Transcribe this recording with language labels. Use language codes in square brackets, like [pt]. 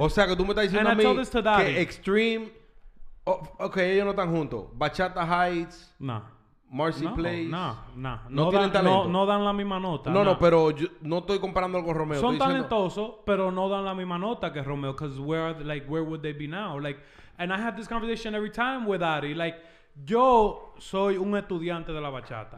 [es] O sea, que tú me estás diciendo a mí que Extreme. Oh, ok, ellos no están juntos. Bachata Heights. Marcy Place. No tienen talento. No dan la misma nota. No, pero yo no estoy comparando con Romeo. Son talentosos, pero no dan la misma nota que Romeo. [en] Because where would they be now? Like, and I have this conversation every time with Ari. [es] Like, yo soy un estudiante de la bachata.